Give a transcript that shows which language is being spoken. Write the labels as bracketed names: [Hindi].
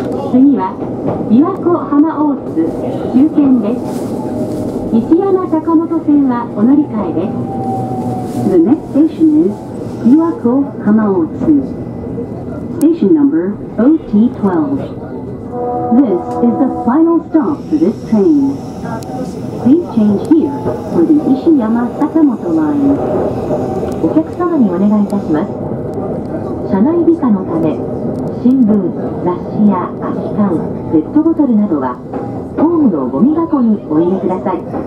[Japanese] 次は琵琶湖浜大津終点です。西山坂本線はお乗り換えです。 [English] The next station is 琵琶湖浜大津。 Station number OT12. This is the final stop for this train. Please change here for the Ishiyama Sakamoto line. [Japanese] お客様にお願いいたします。車内美化のため、新聞、雑誌や空き缶、ペットボトルなどはホームのゴミ箱にお入れください。